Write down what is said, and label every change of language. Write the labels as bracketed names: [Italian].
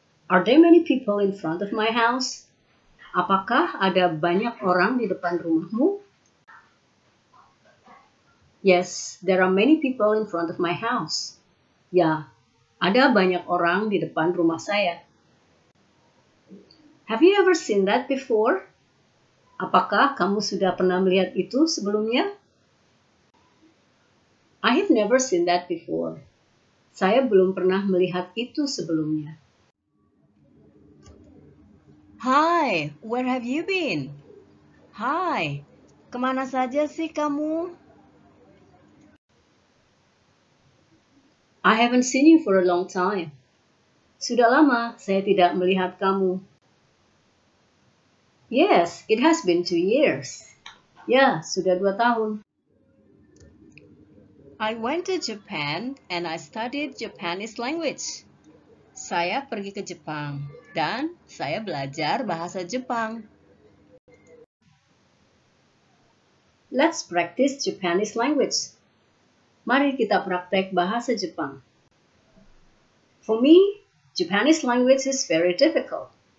[English] Are there many people in front of my house? [Indonesian] Apakah ada banyak orang di depan rumahmu? [English] Yes, there are many people in front of my house. [Indonesian] Ya, ada banyak orang di depan rumah saya. [English] Have you ever seen that before? [Indonesian] Apakah kamu sudah pernah melihat itu sebelumnya? [English] I have never seen that before. [Indonesian] Saya belum pernah melihat itu sebelumnya. [English] Hi, where have you been? Hi, [Indonesian] kemana saja sih kamu? [English] I haven't seen you for a long time. [Indonesian] Sudah lama saya tidak melihat kamu. [English] Yes, it has been 2 years. [Indonesian] Ya, sudah 2 tahun. [English] I went to Japan and I studied Japanese language. [Indonesian] Saya pergi ke Jepang dan saya belajar bahasa Jepang. [English] Let's practice Japanese language. [Indonesian] Mari kita praktek bahasa Jepang. [English] For me, Japanese language is very difficult.